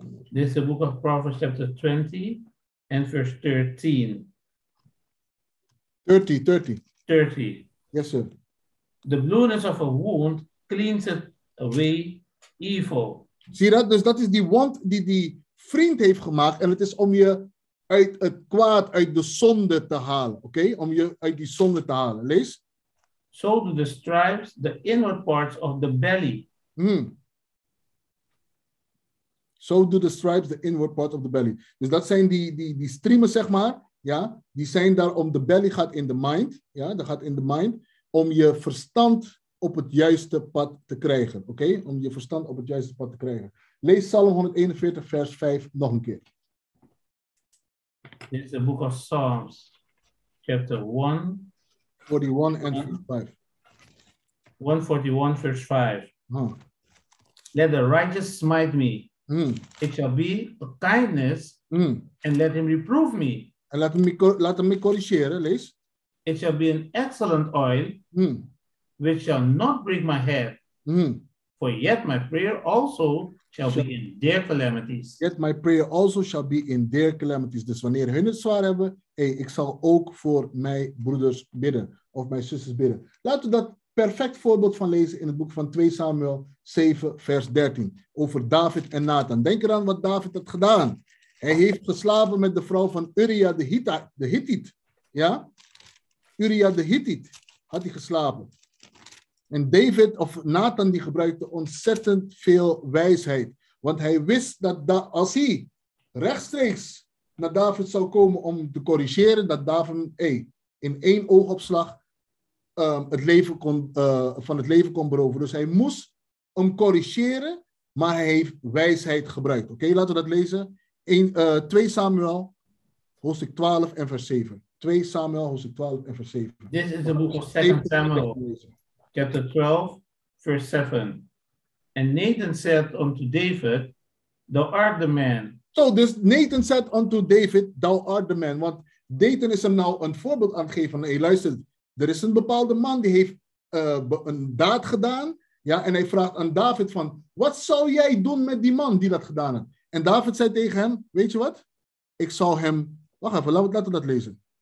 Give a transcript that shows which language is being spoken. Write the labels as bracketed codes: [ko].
[nl] Dit is het boek van Proverbs chapter 20 en verse 13. [en] 30. Yes, sir. The blueness of a wound cleans it away evil. [nl] Zie dat? Dus dat is die wond die die vriend heeft gemaakt. En het is om je uit het kwaad, uit de zonde te halen. Oké? Okay? Om je uit die zonde te halen. Lees. [en] So do the stripes, the inward parts of the belly. So do the stripes, the inward part of the belly. [nl] Dus dat zijn die striemen, zeg maar. Ja, die zijn daar om, de belly gaat in de mind, ja, dat gaat in de mind, om je verstand op het juiste pad te krijgen, oké? Okay? Om je verstand op het juiste pad te krijgen. Lees Psalm 141, vers 5 nog een keer. Dit is het boek van Psalms, chapter 141, vers 5. [en] 141, vers 5. Let the righteous smite me, it shall be a kindness, and let him reprove me. [nl] En laat hem me corrigeren, lees. [en] It shall be an excellent oil, which shall not break my head. For yet my prayer also shall be in their calamities. Yet my prayer also shall be in their calamities. [nl] Dus wanneer hun het zwaar hebben, hey, ik zal ook voor mijn broeders bidden. Of mijn zusters bidden. Laten we dat perfect voorbeeld van lezen in het boek van 2 Samuel 7 vers 13. Over David en Nathan. Denk eraan wat David had gedaan. Hij heeft geslapen met de vrouw van Uria de Hittiet. Ja? Uria de Hittiet had hij geslapen. En David of Nathan die gebruikte ontzettend veel wijsheid. Want hij wist dat als hij rechtstreeks naar David zou komen om te corrigeren, dat David in één oogopslag het leven kon beroven. Dus hij moest hem corrigeren, maar hij heeft wijsheid gebruikt. Oké, okay, laten we dat lezen. 2 Samuel, hoofdstuk 12 en vers 7. 2 Samuel, hoofdstuk 12 en vers 7. [en] This is the book of 2 Samuel, chapter 12, verse 7. And Nathan said unto David, thou art the man. So, dus Nathan said unto David, thou art the man. [nl] Want Nathan is hem nou een voorbeeld aan het geven. Hey, luister, er is een bepaalde man die heeft een daad gedaan. Ja, en hij vraagt aan David van, wat zou jij doen met die man die dat gedaan heeft? En David zei tegen hem, weet je wat? Ik zal hem, wacht even, laten we dat lezen.